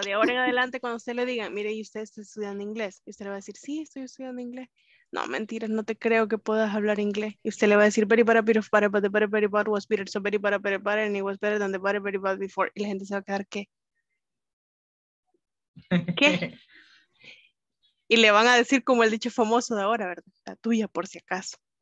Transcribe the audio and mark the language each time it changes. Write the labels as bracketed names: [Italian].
[Spanish] De ahora en adelante, cuando usted le diga, mire, y usted está estudiando inglés, y usted le va a decir, sí, estoy estudiando inglés. No, mentiras, no te creo que puedas hablar inglés. Y usted le va a decir, [English] very bad, but the better, very bad was better, so very bad, very bad, and it was better than the better, very bad before. [Spanish] Y la gente se va a quedar, ¿qué? ¿Qué? Y le van a decir como el dicho famoso de ahora, ¿verdad? La tuya, por si acaso.